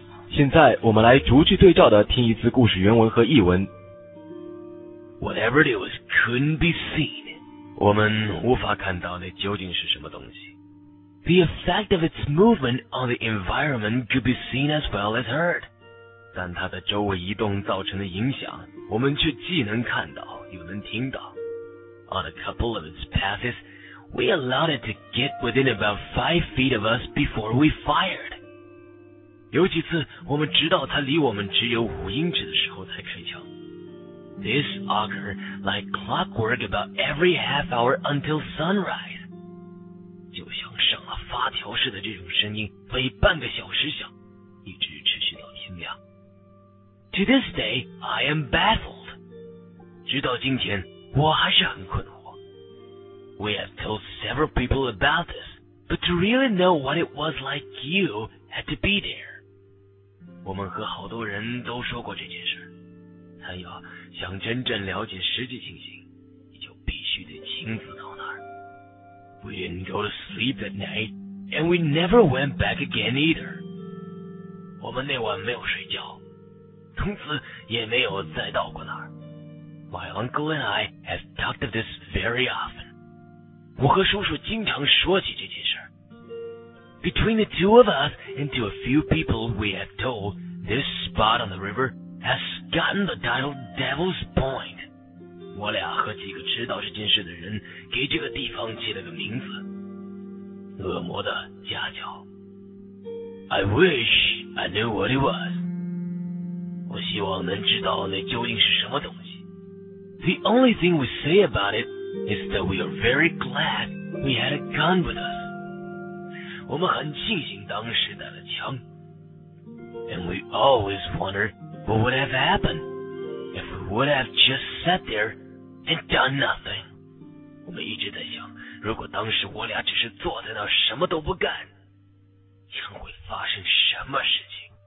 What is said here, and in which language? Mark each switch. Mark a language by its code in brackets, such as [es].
[zh] 现在我们来逐句对照的听一次故事原文和译文。 [en] Whatever it was couldn't be seen. [zh] 我们无法看到那究竟是什么东西。 [en] The effect of its movement on the environment could be seen as well as heard. [zh] 但它的周围移动造成的影响，我们却既能看到又能听到。 [en] On a couple of its passes, we allowed it to get within about 5 feet of us before we fired. [zh] 有几次，我们直到它离我们只有5英尺的时候才开枪。 [en] This occurred like clockwork about every half hour until sunrise. [zh] 就像上了发条似的，这种声音每半个小时响，一直持续到天亮。 [en] To this day, I am baffled. [zh] 直到今天，我还是很困惑。 [en] We have told several people about this, but to really know what it was like, you had to be there. [zh] 我们和好多人都说过这件事，但要想真正了解实际情形，你就必须得亲自到那儿。 [en] We didn't go to sleep that night, and we never went back again either. [zh] 我们那晚没有睡觉，从此也没有再到过那儿。 [en] My uncle and I have talked of this very often. [zh] 我和叔叔经常说起这件事。 [en] Between the two of us and to a few people we have told, this spot on the river has gotten the title Devil's Point. [zh] 我俩和几个知道这件事的人给这个地方起了个名字，恶魔的夹角。 [en] I wish I knew what it was. [zh] 我希望能知道那究竟是什么东西。 [en] The only thing we say about it is that we are very glad we had a gun with us. [zh] 我们很庆幸当时带了枪。 [en] And we always wondered what would have happened if we would have just sat there and done nothing. [zh] 我们一直在想，如果当时我俩只是坐在那什么都不干，将会发生什么事情。